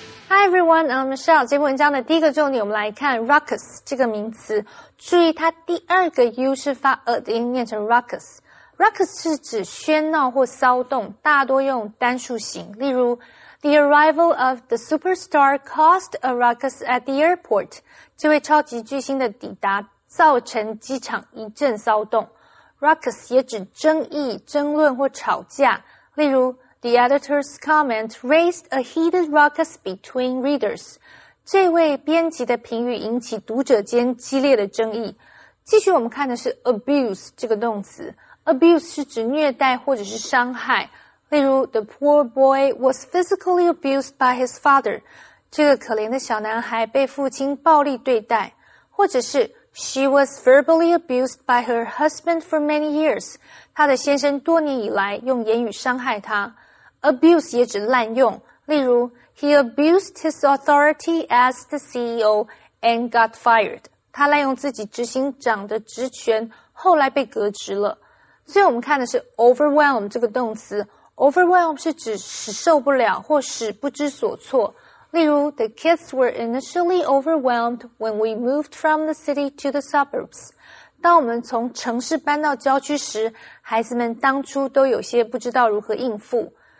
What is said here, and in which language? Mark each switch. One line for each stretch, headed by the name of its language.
English: Hi everyone, I'm Michelle.
Chinese: 节目文章的第一个重点我们来看 ruckus 这个名词，注意它第二个 U 是发 R 的音，念成 ruckusRuckus 是指喧闹或骚动，大多用单数型。
English: 例如 ,The arrival of the superstar caused a ruckus at the airport.
Chinese: 这位超级巨星的抵达造成机场一阵骚动。 Ruckus 也指争议、争论或吵架。
English: 例如 ,The editor's comment raised a heated ruckus between readers.
Chinese: 这位编辑的评语引起读者间激烈的争议。继续我们看的是 abuse 这个动词。Abuse 是指虐待或者是伤害，例如
English: The poor boy was physically abused by his father.
Chinese: 这个可怜的小男孩被父亲暴力对待，或者是
English: She was verbally abused by her husband for many years.
Chinese: 她的先生多年以来用言语伤害她。 Abuse 也指滥用，例如
English: He abused his authority as the CEO and got fired.
Chinese: 他滥用自己执行长的职权，后来被革职了。所以我们看的是 overwhelm 这个动词。
English: overwhelm
Chinese: 是指使受不了或使不知所措，例如
English: The kids were initially overwhelmed when we moved from the city to the suburbs.
Chinese: 当我们从城市搬到郊区时，孩子们当初都有些不知道如何应付。